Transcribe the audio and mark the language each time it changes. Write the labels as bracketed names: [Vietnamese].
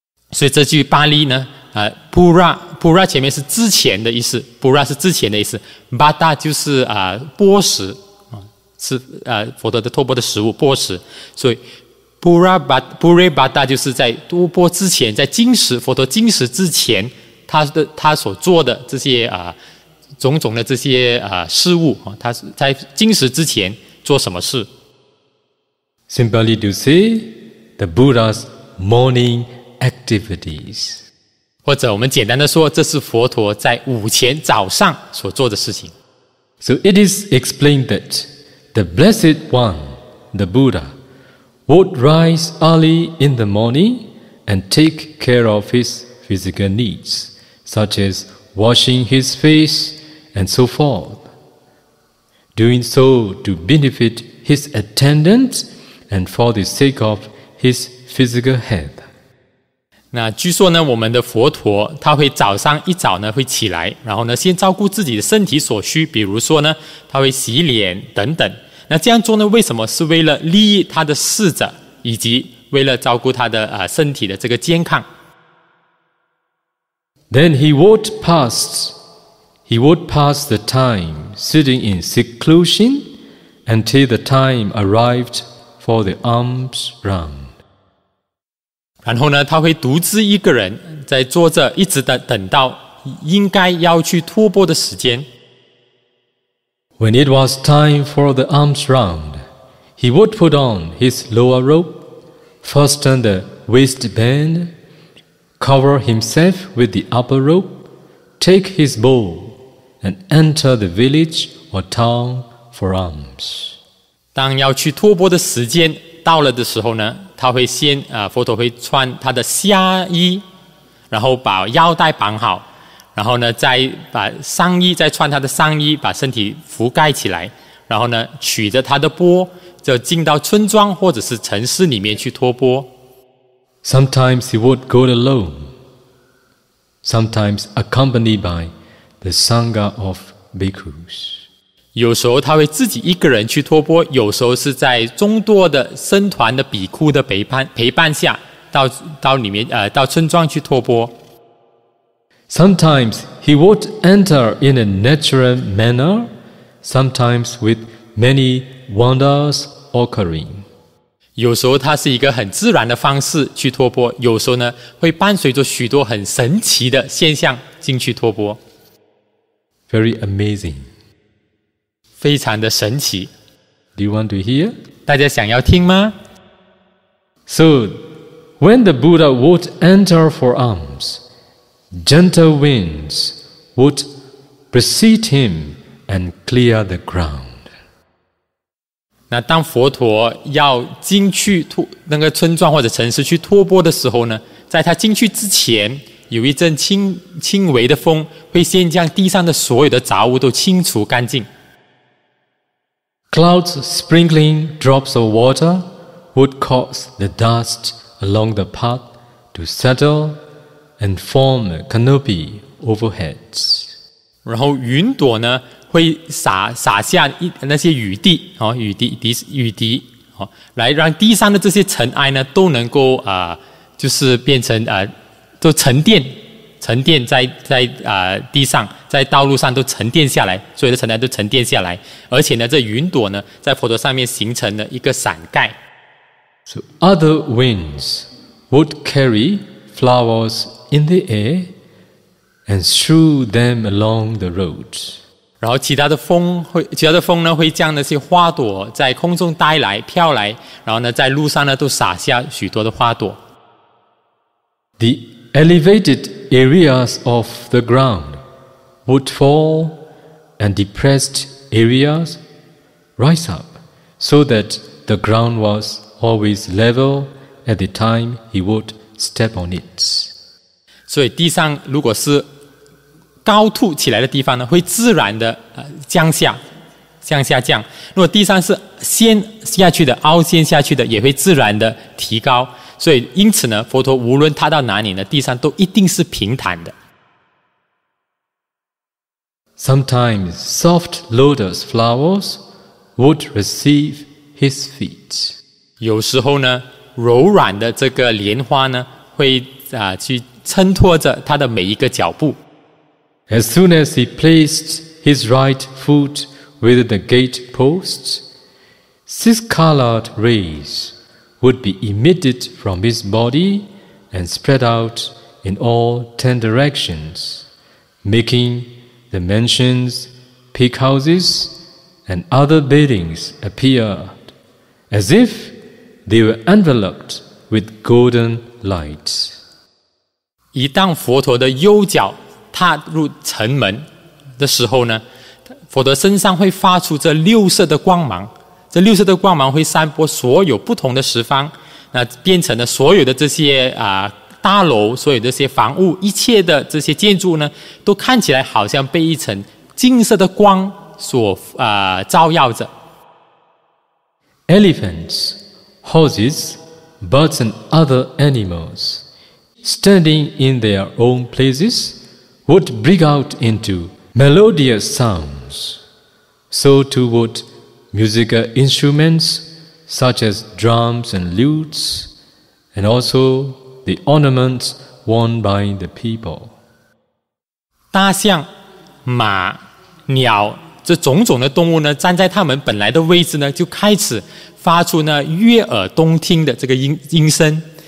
[Chinese] 所以这句巴利呢，Pura 前面是之前的意思， Pura 是之前的意思， Bada 就是波什是佛陀的托钵的食物钵食，所以 Puribada 就是在多钵之前，在金石佛陀金石之前，他所做的这些种种的这些事物，他在金石之前做什么事。 [English] Simply to say the Buddha's morning activities， [Chinese] 或者我们简单的说，这是佛陀在午前早上所做的事情。 [English] So it is explained thatThe Blessed One, the Buddha, would rise early in the morning and take care of his physical needs, such as washing his face and so forth, doing so to benefit his attendants and for the sake of his physical health. [Chinese] 那据说呢，我们的佛陀他会早上一早呢会起来，然后呢先照顾自己的身体所需，比如说呢他会洗脸等等。那这样做呢，为什么？是为了利益他的侍者，以及为了照顾他的身体的这个健康。 [English] Then he would pass the time sitting in seclusion until the time arrived for the alms round. [Chinese] 然后呢，他会独自一个人在坐着，一直等到应该要去托钵的时间。 [English] When it was time for the alms round, he would put on his lower robe, fasten the waistband, cover himself with the upper robe, take his bowl, and enter the village or town for alms. [Chinese] 当要去托钵的时间到了的时候呢，他会先佛陀会穿他的虾衣，然后把腰带绑好。然后呢，再穿他的上衣，把身体覆盖起来，然后呢，取着他的钵，就进到村庄或者是城市里面去托钵。 [English] Sometimes he would go alone, sometimes accompanied by the Sangha of bhikkhus. [Chinese] 有时候他会自己一个人去托钵，有时候是在众多的僧团的比库的陪伴下，到村庄去托钵。 [English] Sometimes he would enter in a natural manner, sometimes with many wonders occurring. [Chinese] 有时候他是一个很自然的方式去托钵，有时候呢会伴随着许多很神奇的现象进去托钵。 [English] Very amazing. [Chinese] 非常的神奇。 [English] Do you want to hear? [Chinese] 大家想要听吗？ [English] So, when the Buddha would enter for alms,Gentle winds would precede him and clear the ground. [Chinese] 那当佛陀要进去那个村庄或者城市去托钵的时候呢，在他进去之前，有一阵轻微的风会先将地上的所有的杂物都清除干净。 [English] Clouds sprinkling drops of water would cause the dust along the path to settle. And form a canopy overhead. [Chinese] 然后云朵呢会洒下那些雨滴，来让地上的这些尘埃呢都能够就是变成都沉淀沉淀在地上，在道路上都沉淀下来，所有的尘埃都沉淀下来，而且呢，这云朵呢，在佛陀上面形成了一个伞盖。 [English] So other winds would carry flowers in the air and strew them along the roads. [Chinese] 然后其他的风呢，会将那些花朵在空中带来飘来，然后呢，在路上呢，都洒下许多的花朵。 [English] The elevated areas of the ground would fall, and depressed areas rise up, so that the ground was always level at the time he would step on it. [Chinese] 所以地上如果是高凸起来的地方呢，会自然的向下降。如果地上是陷下去的、凹陷下去的，也会自然的提高。所以因此呢，佛陀无论踏到哪里呢，地上都一定是平坦的。 [English] Sometimes soft lotus flowers would receive his feet. [Chinese] 有时候呢，柔软的这个莲花呢，会去衬托着他的每一个脚步。 [English] As soon as he placed his right foot within the gate posts, six colored rays would be emitted from his body and spread out in all 10 directions, making the mansions, pig houses, and other buildings appear as if they were enveloped with golden light. [Chinese] 一旦佛陀的右脚踏入尘门的时候呢，佛陀身上会发出这六色的光芒，这六色的光芒会散播所有不同的十方，那变成了所有的这些大楼，所有的这些房屋，一切的这些建筑呢，都看起来好像被一层金色的光所照耀着。 [English] Elephants, horses, birds and other animals, standing in their own places, would break out into melodious sounds. So too would musical instruments such as drums and lutes, and also the ornaments worn by the people. [Chinese] 大象、马、鸟这种种的动物呢，站在它们本来的位置呢，就开始发出呢悦耳动听的这个音声。